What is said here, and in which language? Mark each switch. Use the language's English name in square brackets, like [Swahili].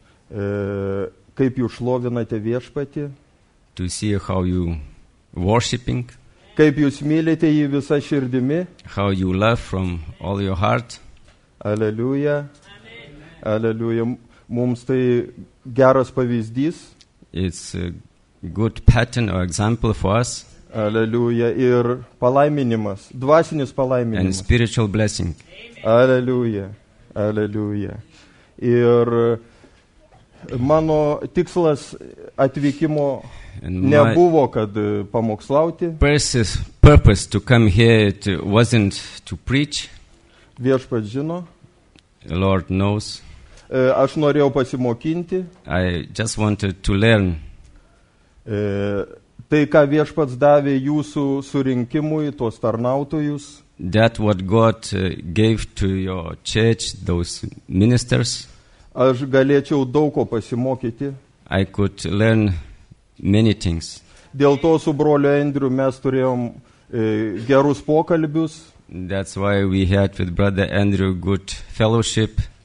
[Lithuanian] Kaip jūs šlovinate viešpatį. [English] To see how you worshiping. [Lithuanian] Kaip jūs mylite jį visą širdimi. [English] How you love from all your heart. [Lithuanian] Aleliuja. Aleliuja. Mums tai geras pavyzdys. [English] It's a good pattern or example for us. [Lithuanian] Aleliuja. Ir palaiminimas. Dvasinis palaiminimas. [English] And spiritual blessing. [Lithuanian] Aleliuja. Aleliuja. Ir mano tikslas atvykimo nebuvo, kad pamokslauti. [English] Person's purpose to come here it wasn't to preach. [Lithuanian] Viešpats žino. [English] The Lord knows. [Lithuanian] Aš norėjau pasimokinti. [English] I just wanted to learn. [Lithuanian] Tai ką Viešpats davė jūsų surinkimui, tuos tarnautojus. [English] That what God gave to your church, those ministers. [Lithuanian] Aš galėčiau daug ko pasimokyti. [English] I could learn many things. [Lithuanian] Dėl to su broliu Andrew mes turėjom gerus pokalbius. [English] That's why we had with brother Andrew good fellowship.